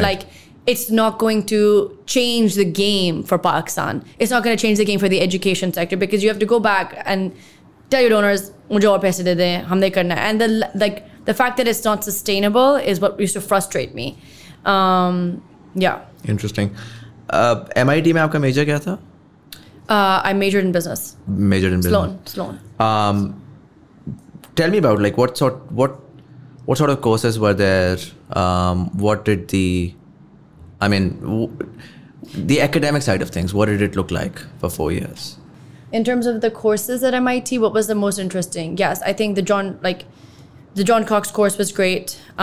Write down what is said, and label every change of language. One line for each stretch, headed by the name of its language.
English: Like, it's not going to change the game for Pakistan. It's not going to change the game for the education sector, because you have to go back and tell your donors,
Urdu: mujhe aur paise de de, humne karna.
English: And the fact that it's not sustainable is what used to frustrate me. Interesting.
Urdu: MIT में आपका major क्या था?
English: I majored in business. Majored in business. Sloan. Tell me about like what sort of courses were there? The academic side of things, what did it look like for 4 years? In terms of the courses at MIT, what was the most interesting? Yes, I think the John Cox course was great.